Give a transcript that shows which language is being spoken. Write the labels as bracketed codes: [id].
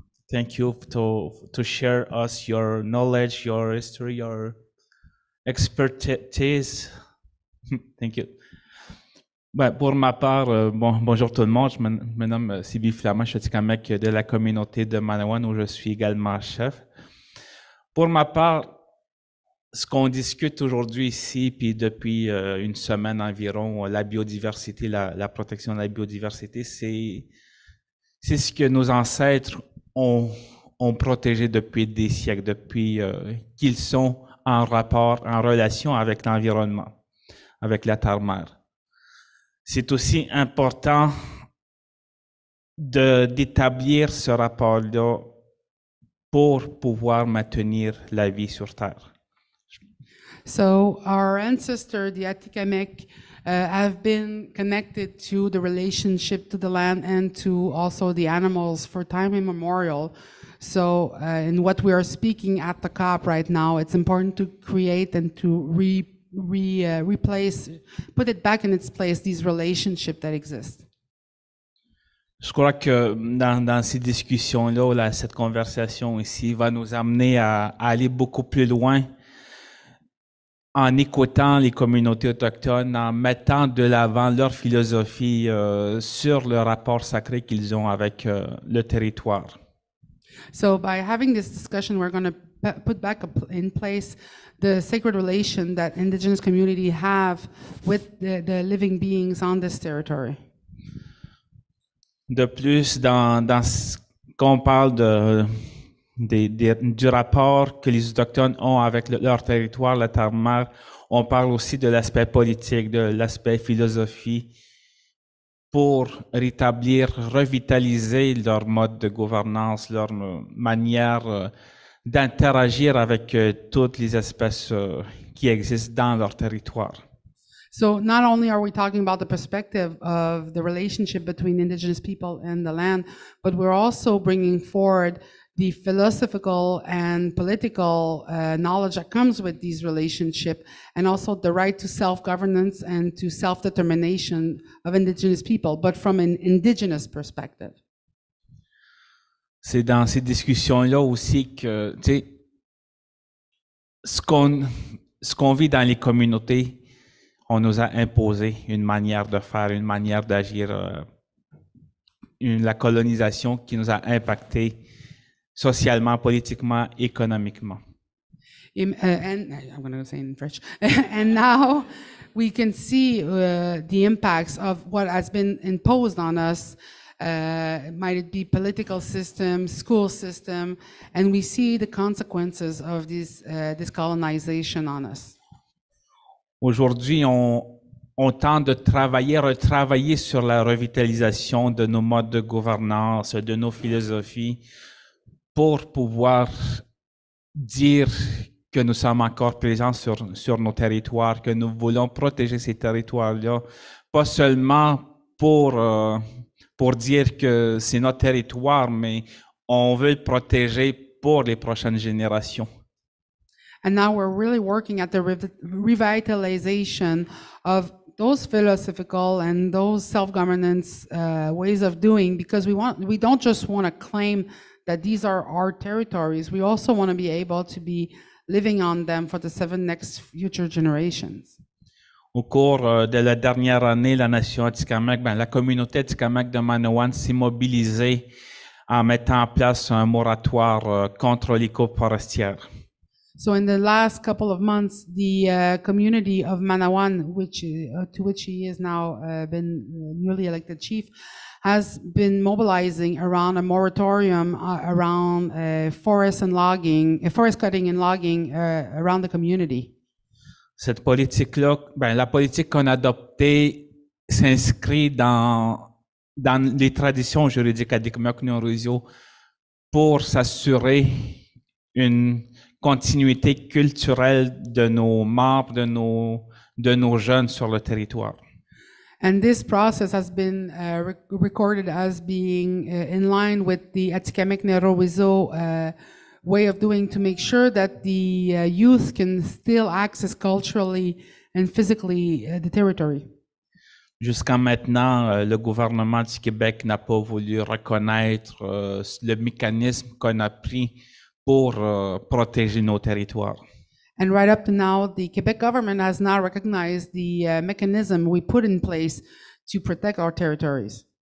[en] Thank you to share us your knowledge, your history, your expertise. Thank you. [fr] Ouais, pour ma part, bonjour tout le monde. Je me nomme Sipi Flamand. Je suis Atikamekw de la communauté de Manawan où je suis également chef. Pour ma part, ce qu'on discute aujourd'hui ici, puis depuis une semaine environ, la biodiversité, la protection de la biodiversité, c'est ce que nos ancêtres ont protégé depuis des siècles, depuis qu'ils sont en rapport, en relation avec l'environnement, avec la terre-mère. C'est aussi important d'établir ce rapport-là pour pouvoir maintenir la vie sur Terre. [en] So our ancestor, the Atikamekw, have been connected to the relationship to the land and to also the animals for time immemorial. So in what we are speaking at the COP right now, it's important to create and to replace, put it back in its place, these relationships that exist. [fr] Je crois que dans ces discussions-là, là, cette conversation ici va nous amener à aller beaucoup plus loin en écoutant les communautés autochtones, en mettant de l'avant leur philosophie sur le rapport sacré qu'ils ont avec le territoire. [en] So by having this discussion, we're going to put back in place the sacred relation that indigenous community have with the living beings on this territory. [fr] De plus, dans ce qu'on parle du rapport que les Autochtones ont avec leur territoire, la terre-mère, on parle aussi de l'aspect politique, de l'aspect philosophie pour rétablir, revitaliser leur mode de gouvernance, leur manière d'interagir avec toutes les espèces qui existent dans leur territoire. [en] So not only are we talking about the perspective of the relationship between indigenous people and the land, but we're also bringing forward the philosophical and political knowledge that comes with these relationships, and also the right to self-governance and to self-determination of indigenous people, but from an indigenous perspective. [fr] C'est dans ces discussions-là aussi que, tu sais, ce qu'on vit dans les communautés, on nous a imposé une manière de faire, une manière d'agir, la colonisation qui nous a impacté socialement, politiquement, économiquement. [en] And now we can see the impacts of what has been imposed on us. Might it be political system, school system, and we see the consequences of this colonization on us. [fr] Aujourd'hui, on tente de retravailler sur la revitalisation de nos modes de gouvernance, de nos philosophies, pour pouvoir dire que nous sommes encore présents sur nos territoires, que nous voulons protéger ces territoires-là, pas seulement pour dire que c'est notre territoire, mais on veut le protéger pour les prochaines générations. [en] And now we're really working at the revitalization of those philosophical and those self-governance ways of doing, because we don't just want to claim that these are our territories. We also want to be able to be living on them for the seven next future generations. [fr] Au cours de la dernière année, la nation Atikamekw, la communauté Atikamekw de Manawan s'est mobilisée en mettant en place un moratoire contre les coupes forestières. [en] So in the last couple of months, the community of Manawan, which to which he is now been newly elected chief, has been mobilizing around a moratorium around forest and logging, forest cutting and logging around the community. [fr] Cette politique-là, ben, la politique qu'on a adoptée s'inscrit dans les traditions juridiques à Atikamekw Nehirowisiw pour s'assurer une continuité culturelle de nos membres, de nos jeunes sur le territoire. [en] And this process has been recorded as being in line with the Atikamekw Nehirowisiw way of doing, to make sure that the youth can still access culturally and physically the territory. [fr] Jusqu'à maintenant, le gouvernement du Québec n'a pas voulu reconnaître le mécanisme qu'on a pris pour protéger nos territoires. [en] And right up to now, the Quebec government has not recognized the mechanism we put in place to protect our territories.